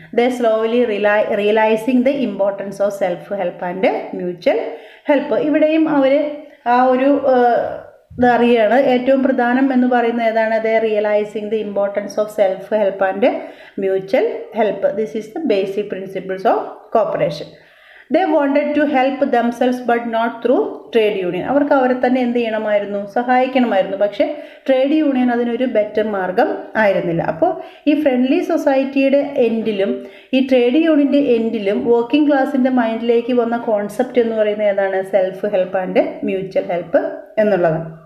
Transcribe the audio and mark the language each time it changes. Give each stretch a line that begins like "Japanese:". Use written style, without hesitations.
English: The slowly realising the importance of self help and mutual help.
Malayalam: ഇവിടെയും അവർ ആ ഒരു ഇതറിയാണ്, ഏറ്റവും പ്രധാനം എന്ന് പറയുന്നത് ഏതാണ്,
English: The realising the importance of self help and mutual help. This is the basic principles of cooperation. They wanted to help themselves but not through trade union.
Malayalam: അവർക്ക് അവരെ തന്നെ എന്ത് ചെയ്യണമായിരുന്നു, സഹായിക്കണമായിരുന്നു. പക്ഷേ ട്രേഡ് യൂണിയൻ അതിനൊരു ബെറ്റർ മാർഗം ആയിരുന്നില്ല. അപ്പോൾ ഈ ഫ്രണ്ട്ലി സൊസൈറ്റിയുടെ എൻഡിലും ഈ ട്രേഡ് യൂണിയൻ്റെ എൻഡിലും വർക്കിംഗ് ക്ലാസ്സിൻ്റെ മൈൻഡിലേക്ക് വന്ന കോൺസെപ്റ്റ് എന്ന് പറയുന്നത് ഏതാണ്, self help and mutual help എന്നുള്ളത്.